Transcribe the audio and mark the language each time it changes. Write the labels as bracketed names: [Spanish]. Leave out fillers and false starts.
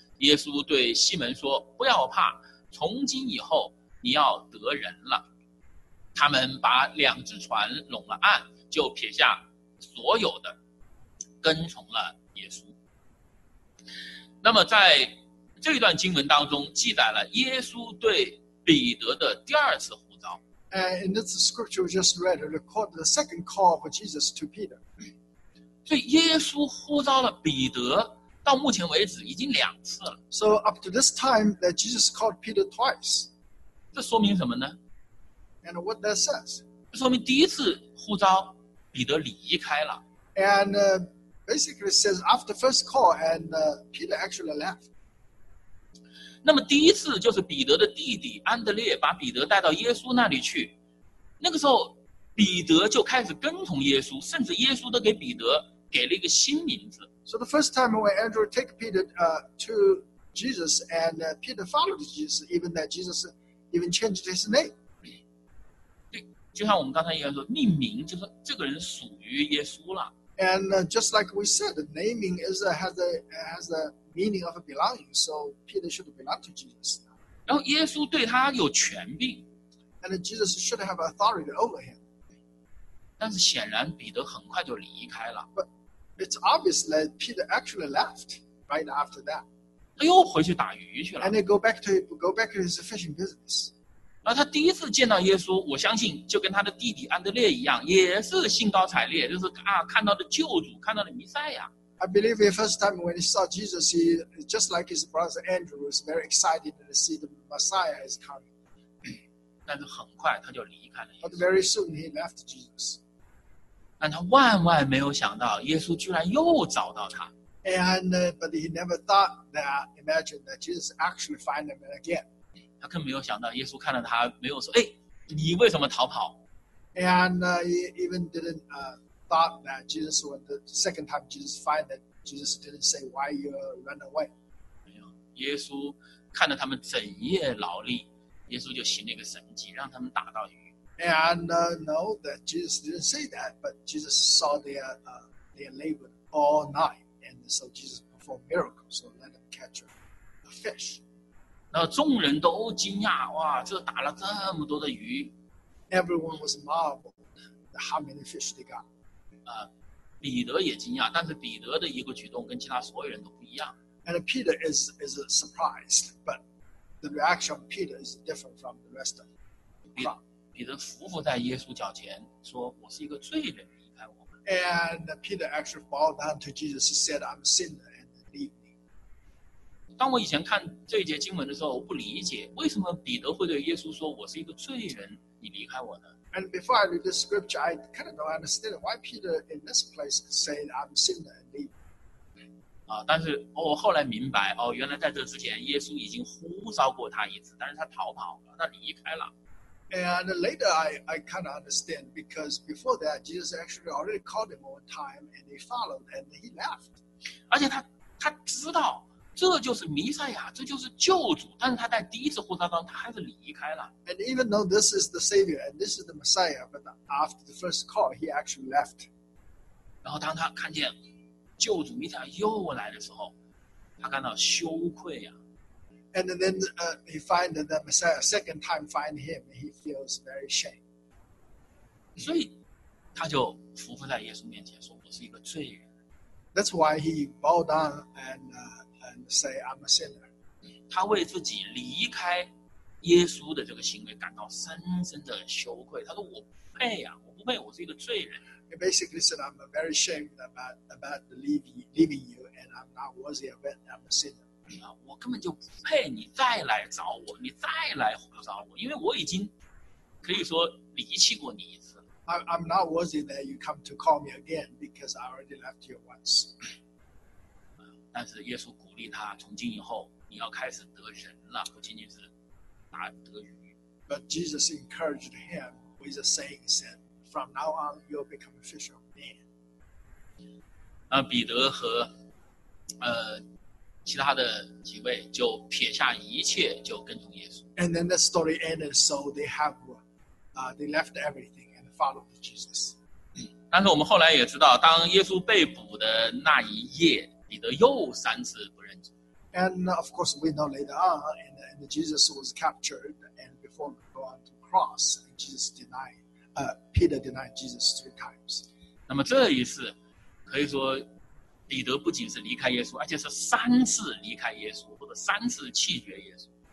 [Chinese] 耶稣对西门说：“不要怕，从今以后你要得人了。” 他们把两只船拢了岸，就撇下所有的，跟从了耶稣。那么在这段经文当中记载了耶稣对彼得的第二次呼召。 [English] And in this scripture we just read, it recorded the second call of Jesus to Peter. [Chinese] 所以耶稣呼召了彼得，到目前为止已经两次了。 [English] So up to this time, that Jesus called Peter twice. [Chinese] 这说明什么呢？ [English] And what that says? [Chinese] 这说明第一次呼召彼得离开了。 [English] And basically says after first call, and Peter actually left. [Chinese] 那么第一次就是彼得的弟弟安德烈把彼得带到耶稣那里去，那个时候彼得就开始跟从耶稣，甚至耶稣都给彼得给了一个新名字。 [English] So the first time when Andrew take Peter to Jesus and Peter followed Jesus, even that Jesus even changed his name. [Chinese] 对，就像我们刚才一样说，命名就是这个人属于耶稣了。 [English] And just like we said, naming is has a meaning of belonging. So Peter should belong to Jesus. [Chinese] 然后耶稣对他有权柄。 [English] And Jesus should have authority over him. [Chinese] 但是显然彼得很快就离开了。 [English] But it's obvious that Peter actually left right after that. [Chinese] 他又回去打鱼去了。 [English] And they go back to his fishing business. [Chinese] 然后他第一次见到耶稣，我相信就跟他的弟弟安德烈一样，也是兴高采烈，就是啊，看到的救主，看到的弥赛亚。 [English] I believe the first time when he saw Jesus, he just like his brother Andrew was very excited to see the Messiah is coming. [Chinese] 但是很快他就离开了。 [English] But very soon he left Jesus. [Chinese] 但他万万没有想到，耶稣居然又找到他。 [English] And but he never thought that, imagined that Jesus actually find him again. [Chinese] 他更没有想到，耶稣看到他没有说：“哎，你为什么逃跑？” [English] And he even didn't. Thought that Jesus, when the second time Jesus find that Jesus didn't say why you run away. [Chinese] 没有，耶稣看着他们整夜劳力，耶稣就行了一个神迹，让他们打到鱼。 [English] And no, that Jesus didn't say that, but Jesus saw their labor all night, and so Jesus performed miracles, so let them catch a fish. [Chinese] 那众人都惊讶，哇，这打了这么多的鱼。 [English] Everyone was marveled how many fish they got. [Chinese] 彼得也惊讶，但是彼得的一个举动跟其他所有人都不一样。 [English] And Peter is surprised, but the reaction of Peter is different from the rest of the crowd. [Chinese] 彼得伏伏在耶稣脚前，说：“我是一个罪人，离开我们。” [English] And Peter actually bowed down to Jesus, said, "I'm a sinner and leave me." [Chinese] 当我以前看这一节经文的时候，我不理解为什么彼得会对耶稣说：“我是一个罪人，你离开我呢？” [English] And before I read this scripture, I kind of don't understand why Peter in this place said, "I'm a sinner and leave." [Chinese] 啊，但是我后来明白，哦，原来在这之前，耶稣已经呼召过他一次，但是他逃跑了，他离开了。 [English] And later, I kind of understand because before that, Jesus actually already called him one time, and he followed, and he left. [Chinese] 而且他知道这就是弥赛亚，这就是救主。但是他在第一次呼召中，他还是离开了。 [English] And even though this is the Savior and this is the Messiah, but after the first call, he actually left. [Chinese] 然后当他看见救主弥赛亚又来的时候，他感到羞愧呀。 [English] And then he finds the Messiah second time find him, he feels very shame. [Chinese] 所以他就伏伏在耶稣面前说：“我是一个罪人。” [English] That's why he bowed down and say I'm a sinner. [Chinese] 他为自己离开耶稣的这个行为感到深深的羞愧。他说：“我不配呀，我不配，我是一个罪人。” [English] He basically said, "I'm very ashamed about leaving you, and I'm not worthy of it. I'm a sinner." [Chinese] 我根本就不配你再来找我，你再来呼召我，因为我已经可以说离弃过你一次。 [English] I'm not worthy that you come to call me again because I already left you once. [Chinese] 但是耶稣鼓励他，从今以后你要开始得人了，不仅仅是打得鱼。 [English] But Jesus encouraged him with a saying, said, "From now on, you'll become a fisher of men." [Chinese] 彼得和其他的几位就撇下一切，就跟从耶稣。 [English] And then the story ended, so they left everything and followed Jesus. [Chinese] 但是我们后来也知道，当耶稣被捕的那一夜，彼得又三次不认主。 [English] And of course, we know later on, and Jesus was captured, and before going on the cross, Jesus denied, Peter denied Jesus three times. [Chinese] 那么这一次，可以说，彼得不仅是离开耶稣，而且是三次离开耶稣，或者三次弃绝耶稣。